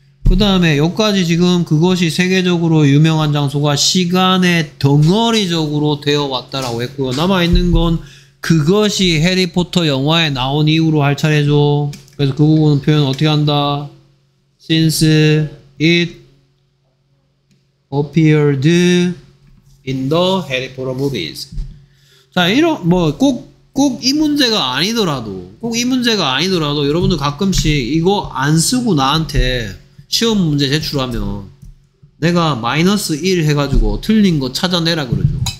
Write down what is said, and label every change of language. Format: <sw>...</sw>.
<ko>그 다음에 여기까지 지금 그것이 세계적으로 유명한 장소가 시간의 덩어리적으로 되어 왔다라고 했고요. 남아있는 건 그것이 해리포터 영화에 나온 이후로 할 차례죠. 그래서 그 부분 표현 어떻게 한다?</ko> <en>Since it appeared in the Harry Potter movies.</en> <ko>자, 이런 뭐 꼭 이 문제가 아니더라도 여러분들 가끔씩 이거 안 쓰고 나한테 시험 문제 제출하면 내가 마이너스 1 해가지고 틀린 거 찾아내라 그러죠.</ko>